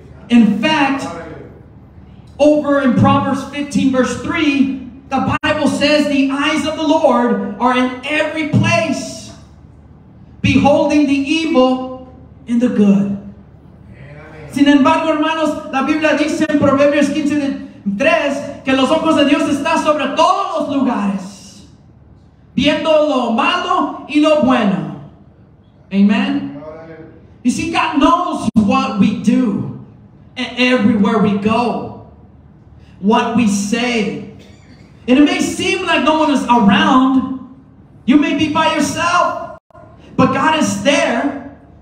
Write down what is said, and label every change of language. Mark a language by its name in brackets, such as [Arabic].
[English] In fact, over in Proverbs 15, verse 3, the Bible says the eyes of the Lord are in every place, beholding the evil and the good. Amen. [Spanish] Sin embargo, hermanos, la Biblia dice en Proverbios 15:3 que los ojos de Dios están sobre todos los lugares, viendo lo malo y lo bueno. Amen. [English] You see, God knows what we do and everywhere we go, what we say. And it may seem like no one is around. You may be by yourself. But God is there.